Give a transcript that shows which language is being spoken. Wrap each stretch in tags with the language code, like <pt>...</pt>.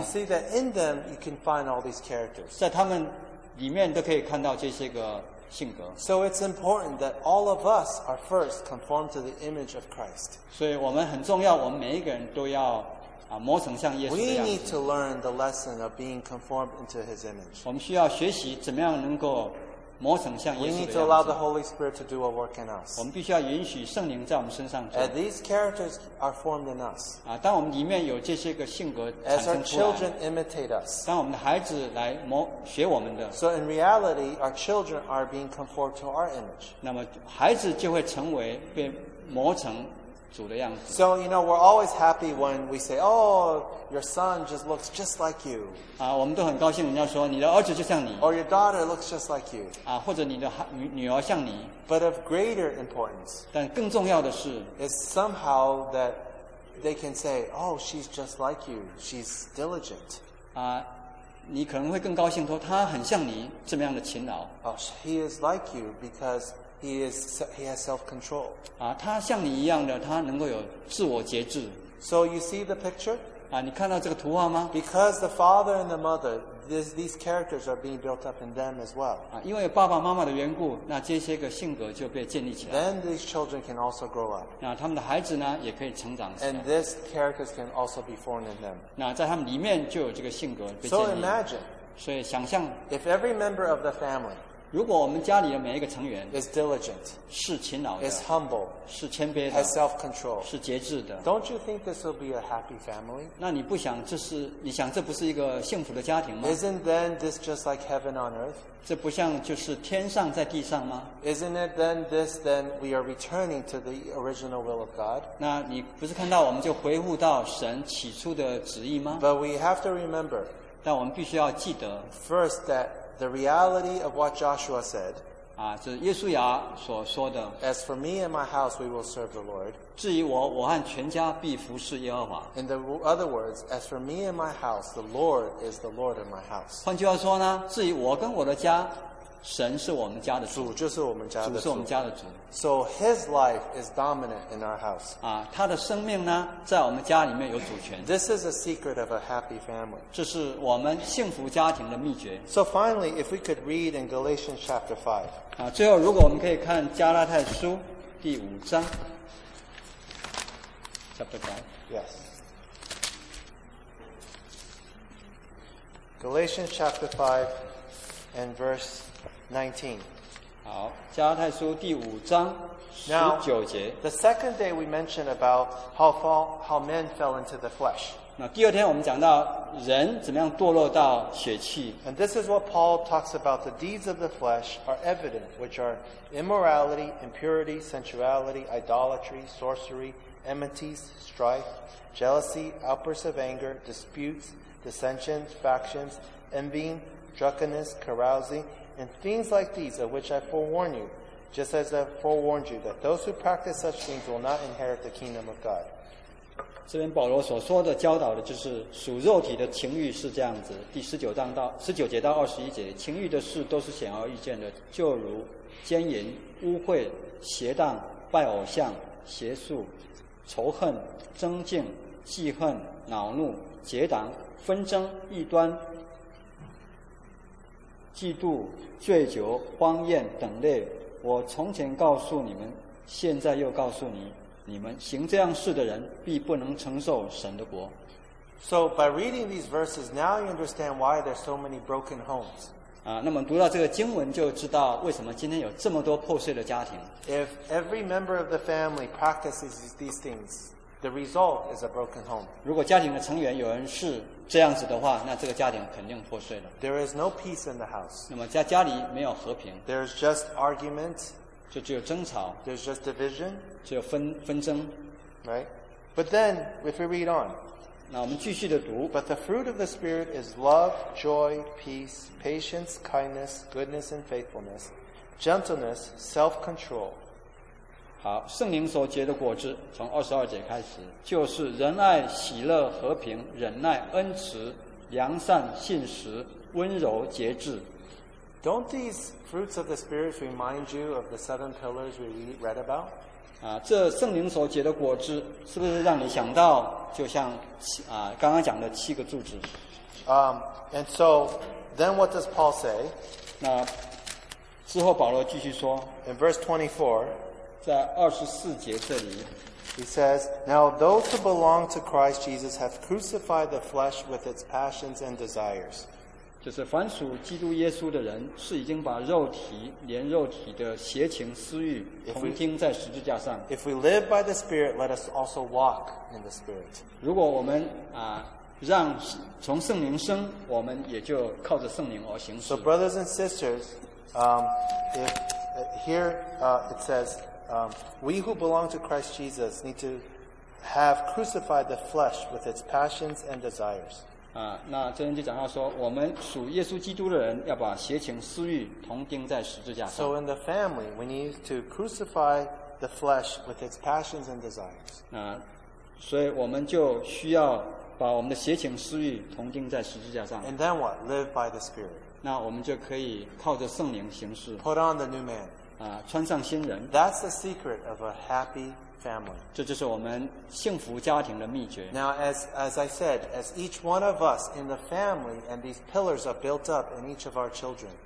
<en>you see that in them you can find all these characters.</en> <zh>在他们里面都可以看到这些个性格。</zh> <en>So it's important that all of us are first conformed to the image of Christ.</en> <zh>所以我们很重要，我们每一个人都要磨成像耶稣的样子。</zh> <en>We need to learn the lesson of being conformed into His image.</en> <zh>我们需要学习怎么样能够磨成像耶稣的样子。</zh> <en>We need to allow the Holy Spirit to do a work in us.</en> <zh>我们必须要允许圣灵在我们身上做。</zh> <en>And these characters are formed in us.</en> <zh>当我们里面有这些个性格产生出来。</zh> <en>As our children imitate us.</en> <zh>当我们的孩子来学我们的。</zh> <en>So in reality, our children are being conformed to our image.</en> <zh>那么孩子就会成为被磨成。</zh> <en>So, you know, we're always happy when we say, oh, your son just looks just like you.</en> <zh>我们都很高兴人家说你的儿子就像你。</zh> <en>Or your daughter looks just like you.</en> <zh>或者你的女儿像你。</zh> <en>But of greater importance,</en> <zh>但更重要的是,</zh> <en>is somehow that they can say, oh, she's just like you. She's diligent.</en> <zh>你可能会更高兴说她很像你这么样的勤劳。</zh> <en>Oh, he is like you because he has self-control.</en> <zh>她像你一样的她能够有自我节制。</zh> <en>So you see the picture?</en> <zh>你看到这个图画吗?</zh> <en>Because the father and the mother, these characters are being built up in them as well.</en> <zh>因为爸爸妈妈的缘故，那这些个性格就被建立起来。</zh> <en>Then these children can also grow up.</en> <zh>那他们的孩子呢，也可以成长起来。</zh> <en>And these characters can also be formed in them.</en> <zh>那在他们里面就有这个性格被建立。</zh> <en>So imagine.</en> <zh>所以想象。</zh> <en>If every member of the family.</en> <zh>如果我们家里的每一个成员。</zh> <en>Is diligent.</en> <zh>是勤劳的。</zh> <en>Is humble.</en> <zh>是谦卑的。</zh> <en>Has self-control.</en> <zh>是节制的。</zh> <en>Don't you think this will be a happy family?</en> <zh>那你不想这是你想这不是一个幸福的家庭吗?</zh> <en>Isn't then this just like heaven on earth?</en> <zh>这不像就是天上在地上吗?</zh> <en>Isn't it then this then we are returning to the original will of God?</en> <zh>那你不是看到我们就回复到神起初的旨意吗?</zh> <en>But we have to remember.</en> <zh>但我们必须要记得。</zh> <en>First that the reality of what Joshua said.</en> <zh>就是耶稣雅所说的。</zh> <en>As for me and my house, we will serve the Lord.</en> <zh>至于我，我和全家必服侍耶和华。</zh> <en>In the other words, as for me and my house, the Lord is the Lord of my house.</en> <zh>换句话说呢，至于我跟我的家，神是我们家的主。主就是我们家的主。主是我们家的主。</zh> <en>So His life is dominant in our house.</en> <zh>他的生命呢，在我们家里面有主权。</zh> <en>This is a secret of a happy family.</en> <zh>这是我们幸福家庭的秘诀。</zh> <en>So finally, if we could read in Galatians chapter 5.</en> <zh>最后如果我们可以看加拉太书第五章。</zh> <en>Chapter 5. Yes. Galatians chapter 5 and verse 19.</en> <zh>好，加拉太书第五章十九节。</zh> <en>Now, the second day we mentioned about how men fell into the flesh.</en> <zh>那第二天我们讲到人怎么样堕落到血气。</zh> <en>And this is what Paul talks about. The deeds of the flesh are evident, which are immorality, impurity, sensuality, idolatry, sorcery, enmities, strife, jealousy, outbursts of anger, disputes, dissensions, factions, envying, drunkenness, carousing, and things like these, of which I forewarn you, just as I forewarned you, that those who practice such things will not inherit the kingdom of God.</en> <zh>这边保罗所说的教导的就是属肉体的情欲是这样子，第十九章到十九节到二十一节，情欲的事都是显而易见的，就如奸淫、污秽、邪荡、拜偶像、邪术、仇恨、争竞、记恨、恼怒、结党、纷争、异端、嫉妒、醉酒、荒宴等类，我从前告诉你们，现在又告诉你，你们行这样事的人，必不能承受神的国。</zh> <en>So by reading these verses, now you understand why there's so many broken homes.</en> <zh>那么读到这个经文就知道为什么今天有这么多破碎的家庭。</zh> <en>If every member of the family practices these things, the result is a broken home.</en> <zh>如果家庭的成员有人是这样子的话，那这个家庭肯定破碎了。</zh> <en>There is no peace in the house.</en> <zh>那么家里没有和平。</zh> <en>There is just argument.</en> <zh>就只有争吵。</zh> <en>There is just division.</en> <zh>只有纷争。</zh> <en>Right? But then, if we read on.</en> <zh>那我们继续的读。</zh> <en>But the fruit of the Spirit is love, joy, peace, patience, kindness, goodness and faithfulness, gentleness, self-control.</en> <zh>好，圣灵所结的果子，从二十二节开始，就是仁爱、喜乐、和平、忍耐、恩慈、良善、信实、温柔、节制。</zh> <en>Don't these fruits of the Spirit remind you of the seven pillars we read about?</en> <zh>这圣灵所结的果子，是不是让你想到，就像刚刚讲的七个柱子？</zh> <en>And so, then what does Paul say?</en> <zh>那之后保罗继续说。</zh> <en>In verse 24.</en> <zh>在二十四节这里</zh> <en>He says, Now those who belong to Christ Jesus have crucified the flesh with its passions and desires.</en> <zh>就是凡属基督耶稣的人是已经把肉体连肉体的邪情私欲同钉在十字架上。</zh> <en>If we live by the Spirit, let us also walk in the Spirit.</en> <zh>如果我们让从圣灵生，我们也就靠着圣灵而行事。</zh> <en>So brothers and sisters, it says,we who belong to Christ Jesus need to have crucified the flesh with its passions and desires.</en> <zh>那这边就讲到说，我们属耶稣基督的人要把邪情私欲同钉在十字架上。</zh> <en>So in the family, we need to crucify the flesh with its passions and desires.</en> <zh>所以我们就需要把我们的邪情私欲同钉在十字架上。</zh> <en>And then what? Live by the Spirit.</en> <zh>那我们就可以靠着圣灵行事。</zh> <en>Put on the new man.</en> <zh>啊，穿上新人。</zh> <en>That's the secret of a happy family.</en> <zh>这就是我们幸福家庭的秘诀。</zh> <en>Now, as I said, as each one of us in the family and these pillars are built up in each of our children.</en>